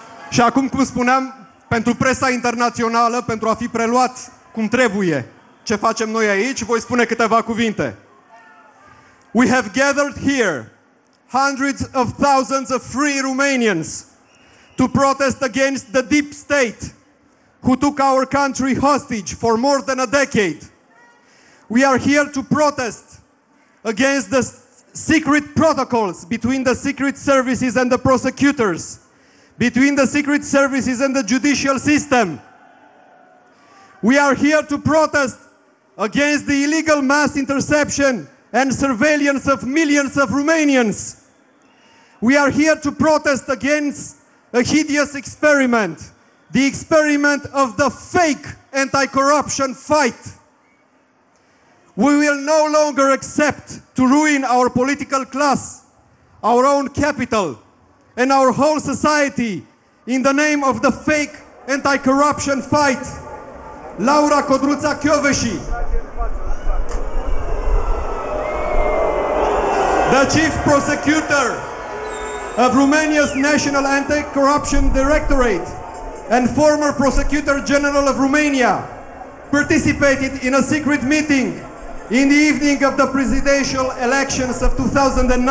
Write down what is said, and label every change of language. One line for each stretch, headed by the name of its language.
Romanian: Și acum, cum spuneam, pentru presa internațională, pentru a fi preluat cum trebuie ce facem noi aici, voi spune câteva cuvinte.
English: We have gathered here hundreds of thousands of free Romanians to protest against the deep state who took our country hostage for more than a decade. We are here to protest against the secret protocols between the secret services and the prosecutors, between the secret services and the judicial system. We are here to protest against the illegal mass interception and surveillance of millions of Romanians. We are here to protest against a hideous experiment, the experiment of the fake anti-corruption fight. We will no longer accept to ruin our political class, our own capital, and our whole society in the name of the fake anti-corruption fight. Laura Codruța Chioveși. The Chief Prosecutor of Romania's National Anti-Corruption Directorate and former Prosecutor General of Romania participated in a secret meeting in the evening of the presidential elections of 2009.